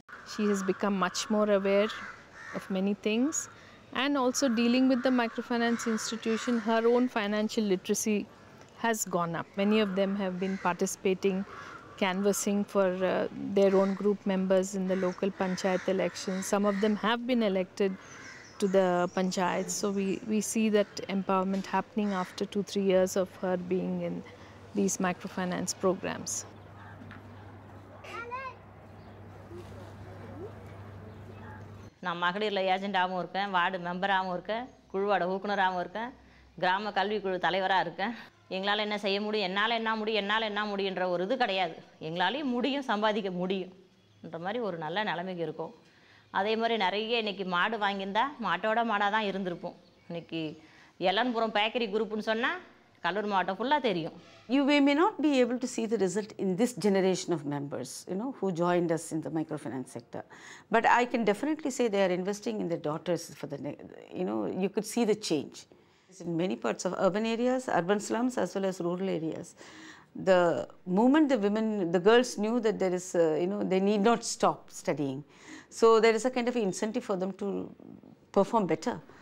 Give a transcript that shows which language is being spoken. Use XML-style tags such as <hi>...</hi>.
<en>She has become much more aware of many things and also dealing with the microfinance institution. Her own financial literacy has gone up. Many of them have been participating canvassing for their own group members in the local panchayat elections. Some of them have been elected to the panchayat, so we see that empowerment happening after 2-3 years of her being in these microfinance programs.</en> <ta>Na magadilla agent aam irken, ward member aam irken, kulwada hookunar aam irken, gram kalvi kul thalaivara irken. எங்களால் என்ன செய்ய முடியும், என்னால் என்ன முடியும், என்னால் என்ன முடியுன்ற ஒரு இது கிடையாது. எங்களாலையும் முடியும், சம்பாதிக்க முடியும்ன்ற மாதிரி ஒரு நல்ல நிலைமைக்கு இருக்கும். அதே மாதிரி நிறைய இன்றைக்கி மாடு வாங்கியிருந்தா மாட்டோட மாடாக தான் இருந்திருப்போம். இன்றைக்கி எலன்புரம் பேக்கரி குரூப்புன்னு சொன்னால் கடலூர் மாவட்டம் ஃபுல்லாக தெரியும்.</ta> <en>You way may not be able to see the result in this generation of members you know who joined us in the micro finance sector, but I can definitely say they are investing in the daughters for the you know you could see the change. In many parts of urban areas, urban slums as well as rural areas, the moment the women, the girls knew that there is they need not stop studying, so there is a kind of incentive for them to perform better.</en>